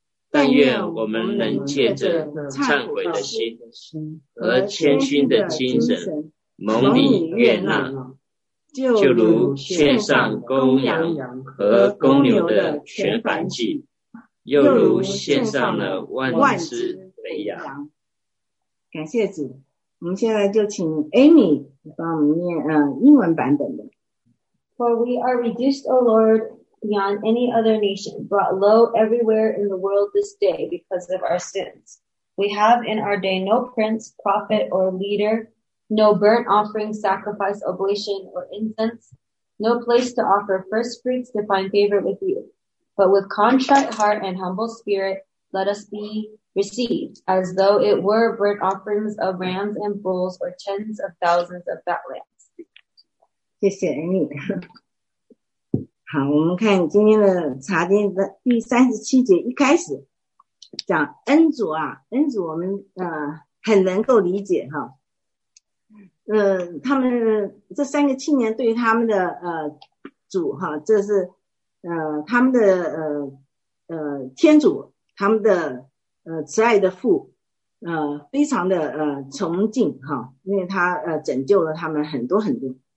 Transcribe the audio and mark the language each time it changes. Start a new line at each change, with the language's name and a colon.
Chinese: 但愿我们能借着忏悔的心和谦逊的精神蒙你悦纳，就如献上公羊和公牛的全燔祭，又如献上了万只肥羊。感谢主。我们现在就请 Amy 帮我们念英文版本的。
English: For we are reduced, O Lord, beyond any other nation, brought low everywhere in the world this day because of our sins. We have in our day no prince, prophet, or leader, no burnt offering, sacrifice, oblation, or incense, no place to offer first fruits to find favor with you. But with contrite heart and humble spirit, let us be received as though it were burnt offerings of rams and bulls or tens of thousands of fat lambs.
Chinese: 谢谢 Amy。好，我们看今天的查经的第37节，一开始讲恩主啊，恩主我们很能够理解哈。他们这三个青年对他们的主哈，这是他们的天主，他们的慈爱的父，非常的崇敬哈，因为他拯救了他们很多很多